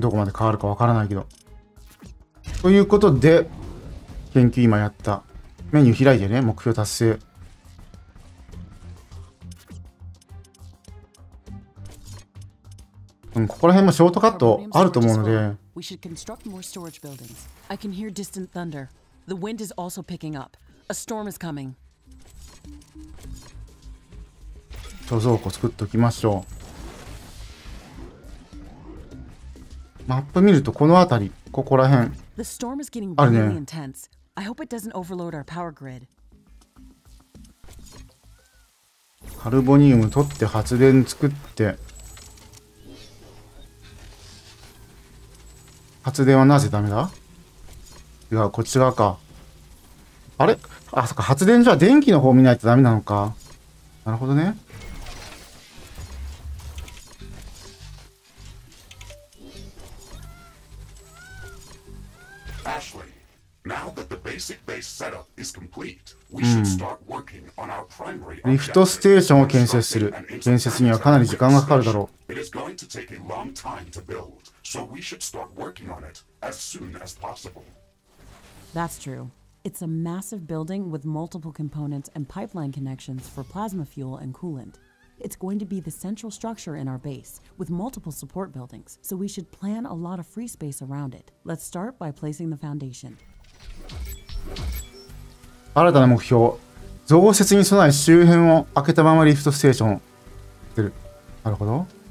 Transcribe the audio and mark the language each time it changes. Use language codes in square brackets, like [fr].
[ja] どこまで変わるかわからないけど。ということで、研究今やった。メニュー開いてね、目標達成。ここら辺もショートカットあると思うので。 [en] We should construct more storage buildings. I can hear distant thunder. The wind is also picking up. A storm is coming. [ja] 貯蔵庫作っておきましょう。マップ見るとこの辺り、ここら辺。 [en] The storm is getting really intense. I hope it doesn't overload our power grid. [ja] カルボニウム取って発電作って。発電はなぜダメだ？いや、こっち側か。あれ？あ、そっか、発電所は電気の方を見ないとダメなのか。なるほどね。 [en] Ashley, now that the basic base setup is complete, we should start working on our primary objective. [ja] リフトステーションを建設する。建設にはかなり時間がかかるだろう。 [en] It is going to take a long time to build, so we should start working on it as soon as possible. That's true. It's a massive building with multiple components and pipeline connections for plasma fuel and coolant. It's going to be the central structure in our base, with multiple support buildings, so we should plan a lot of free space around it. Let's start by placing the foundation. [ja] 新たな目標、増設に備え周辺を開けたままリフトステーションしてる。なるほど。